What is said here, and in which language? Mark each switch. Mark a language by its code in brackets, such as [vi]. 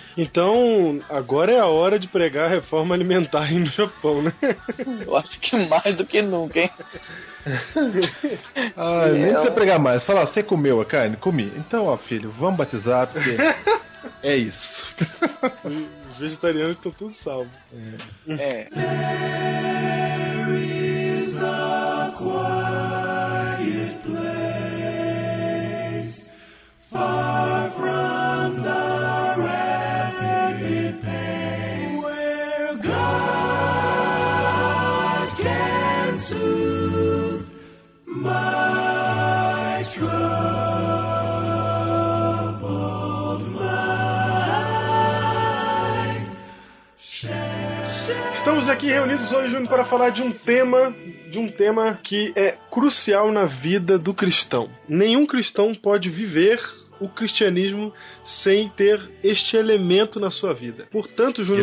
[pt] Então, agora é a hora de pregar a reforma alimentar aí no Japão, né? Eu acho que mais do que nunca, hein? Ai, nem precisa pregar mais. Fala, você comeu a carne? Comi. Então, ó, filho, vamos batizar, porque... É isso. Os vegetarianos estão tudo salvo. [en] There is a quiet place far from the rapid pace where God can soothe my troubled mind. [pt] Estamos aqui reunidos hoje, Júnior, para falar de um tema que é crucial na vida do cristão. Nenhum cristão pode viver o cristianismo sem ter este elemento na sua vida. Portanto, Júnior...